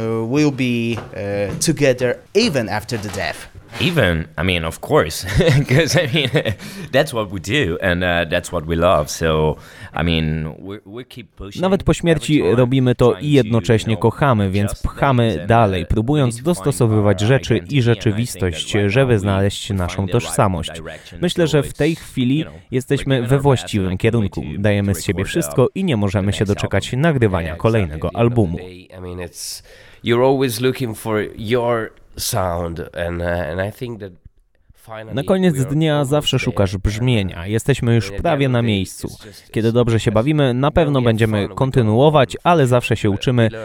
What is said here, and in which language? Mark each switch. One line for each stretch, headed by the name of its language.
English: We'll be together even after the death. Even, of course, because that's what we do and that's what we love. So, we keep pushing.
Polish: Nawet po śmierci robimy to i jednocześnie kochamy, więc pchamy dalej, próbując dostosowywać rzeczy i rzeczywistość, żeby znaleźć naszą tożsamość. Myślę, że w tej chwili jesteśmy we właściwym kierunku. Dajemy z siebie wszystko i nie możemy się doczekać nagrywania kolejnego albumu.
English: You're always looking for your sound and I think that
Polish: Na koniec dnia zawsze szukasz brzmienia. Jesteśmy już prawie na miejscu. Kiedy dobrze się bawimy, na pewno będziemy kontynuować, ale zawsze się uczymy.